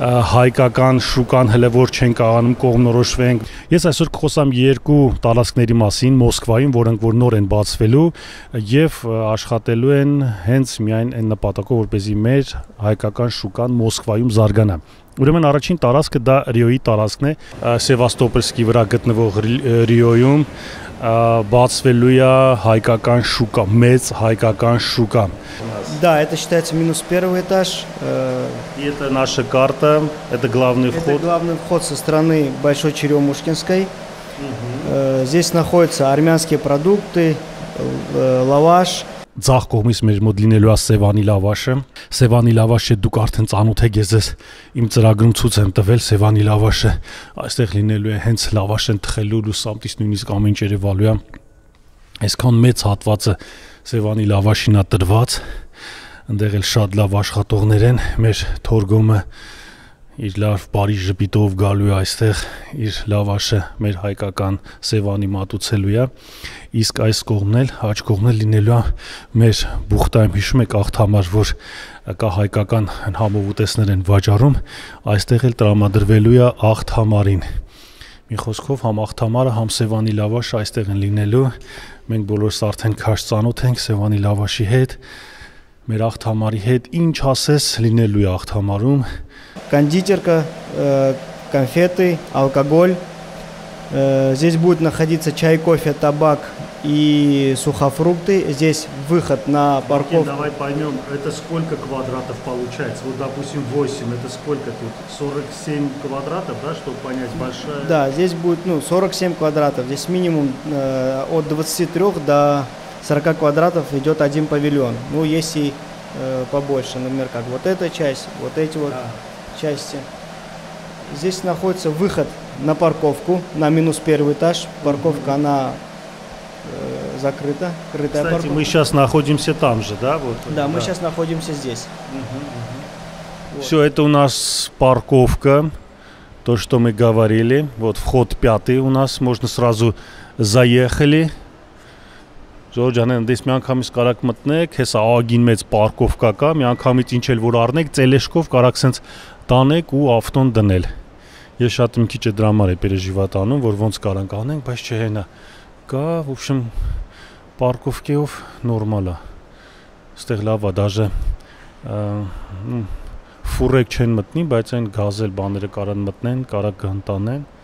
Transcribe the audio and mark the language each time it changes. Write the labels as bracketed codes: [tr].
[hy] հայկական շուկան հələ որ չեն կարողանում կողմնորոշվենք։ Ես այսօր կխոսամ երկու տարածքների մասին Մոսկվայում, որոնք որ նոր են բացվելու եւ աշխատելու են հենց միայն այն նպատակով, որպեսզի մեր հայկական շուկան Մոսկվայում զարգանա։ Ուրեմն առաջին տարածքը դա Ռիոյի տարածքն է, Սևաստոպոլսկի վրա գտնվող Ռիոյում բացվելու է հայկական շուկա, մեծ հայկական շուկա։ [ru] Да, это считается минус первый этаж. Это наша карта, это главный вход. Это главный вход со стороны Большой Черемушкинской. Здесь находятся армянские продукты, лаваш. [hy] Ձախ կողմից մեր մոտ լինելու է Սևանի լավաշը։ Սևանի լավաշը դուք արդեն ծանոթ եք ես ձեզ իմ ծրագրում ցույց եմ տվել Սևանի լավաշը։ Այստեղ լինելու է հենց լավաշեն թխելու լուսամտից նույնիսկ ամեն ինչ երևալու է։ Այսքան մեծ հատվածը Սևանի լավաշին է տրված, այնտեղ էլ շատ լավ աշխատողներ են, մեր թորգոմը իր լավ բարի ժպիտով գալու է այստեղ, իր լավաշը մեր հայկական Սևանի մատուցելու է, իսկ այս կողմն էլ, աջ կողմն էլ լինելու է մեր բուխտայում, հիշում եք աղթամար, որ կա հայկական համով ուտեսներ են վաճառում, այստեղ էլ տրամադրվելու է աղթամարին։ Մի խոսքով համ աղթամարը, համ Սևանի լավաշը այստեղ են լինելու, մենք բոլորս արդեն քաշ ծանոթ ենք Սևանի լավաշի հետ, մեր աղթամարի հետ, ինչ ասես լինելու է աղթամարում։ [ru] Кондитерка, конфеты, алкоголь. Здесь будет находиться чай, кофе, табак и сухофрукты. Здесь выход на парковку. Давай поймем, это сколько квадратов получается? Вот, допустим, 8, это сколько тут? 47 квадратов, да, чтобы понять, большая? Да, здесь будет, ну, 47 квадратов. Здесь минимум от 23 до 40 квадратов идет один павильон. Ну, есть и побольше, например, как вот эта часть, вот эти вот. Да. Части. Здесь находится выход на парковку, на минус первый этаж. Парковка, она закрыта, крытая парковка. Кстати, мы сейчас находимся там же, да? Вот, да, мы сейчас находимся здесь. Вот. Все, это у нас парковка, то, что мы говорили. Вот вход пятый у нас, можно сразу заехали. [hy] Ժողովուրդ ջան, դես մի անգամից կարակ մտնեք, հեսա ահագին մեծ պարկովկա կա, մի անգամից ինչ էլ որ առնեք, ծելեշկով կարակ սենց տանեք ու ավտոն դնել։ Ես շատ իմ քիչ է դրամար է պերեժիվա տանում, որ ոնց կարանք անենք, բայց չէ հենա, կա ուշմ պարկովկեով նորմալ է, ստեղ լավ է, դաժե ֆուրեք չեն մտնի, բայց այն գազել բաները կարան մտնեն, կարակ կհնտանեն։